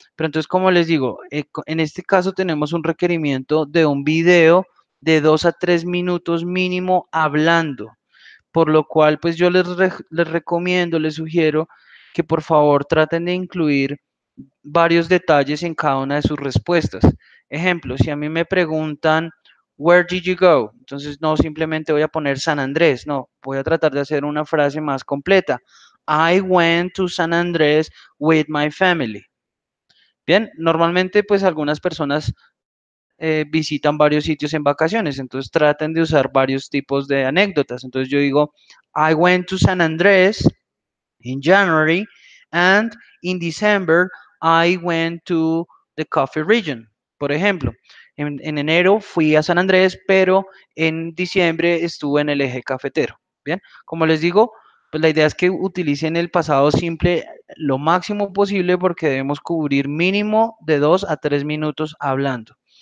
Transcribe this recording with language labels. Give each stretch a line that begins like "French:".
Spanish: Pero entonces, como les digo, en este caso tenemos un requerimiento de un video de 2 a 3 minutos mínimo hablando, por lo cual, pues yo les recomiendo, les sugiero que por favor traten de incluir varios detalles en cada una de sus respuestas. Ejemplo, si a mí me preguntan,
English: where did you go?
Spanish: Entonces, no simplemente voy a poner San Andrés, no, voy a tratar de hacer una frase más completa.
English: I went to San Andrés with my family.
Spanish: Bien, normalmente, pues, algunas personas visitan varios sitios en vacaciones, entonces traten de usar varios tipos de anécdotas. Entonces, yo digo,
English: I went to San Andrés in January and in December, I went to the coffee region.
Spanish: Por ejemplo, en enero fui a San Andrés, pero en diciembre estuve en el eje cafetero. Bien, como les digo, pues la idea es que utilicen el pasado simple lo máximo posible porque debemos cubrir mínimo de 2 a 3 minutos hablando.